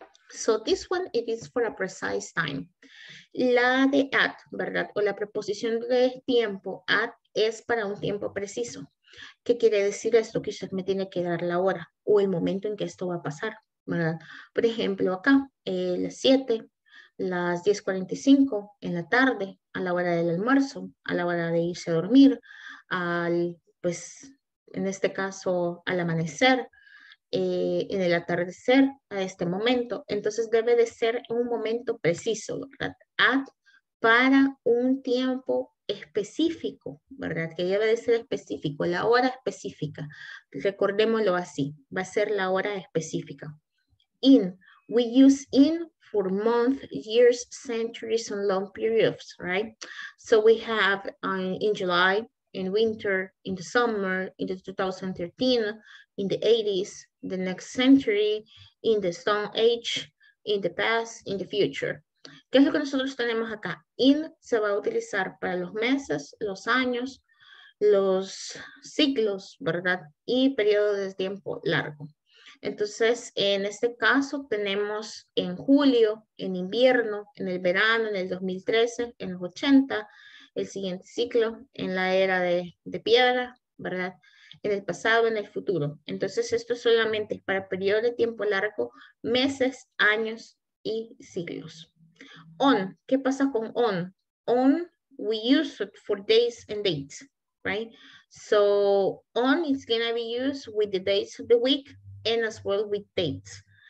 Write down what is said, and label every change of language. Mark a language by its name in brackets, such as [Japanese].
[English] So this one, it is for a precise time. [Spanish] La de at, ¿verdad? O la preposición de tiempo, at, es para un tiempo preciso. ¿Qué quiere decir esto? Que usted me tiene que dar la hora o el momento en que esto va a pasar, ¿verdad? Por ejemplo, acá, las 7, las 10:45, en la tarde, a la hora del almuerzo, a la hora de irse a dormir, pues, en este caso, al amanecer, en el atardecer, a este momento. Entonces debe de ser un momento preciso, ¿verdad? At, para un tiempo específico, ¿verdad? Que debe de ser específico, la hora específica. Recordémoslo así, va a ser la hora específica. [English] In, we use in for months, years, centuries, and long periods, right? So we have in July, in winter, in the summer, in the 2013, in the 80s, the next century, in the stone age, in the past, in the future. [Spanish] ¿Qué es lo que nosotros tenemos acá? In se va a utilizar para los meses, los años, los siglos, ¿verdad? Y periodo de tiempo largo. Entonces, en este caso, tenemos en julio, en invierno, en el verano, en el 2013, en los 80, el siguiente ciclo, en la era de piedra, ¿verdad? En el pasado, en el futuro. Entonces, esto solamente es para periodo de tiempo largo, meses, años y siglos. On, ¿qué pasa con on? [English] On, we use it for days and dates, right? So, on is going to be used with the days of the week and as well with dates.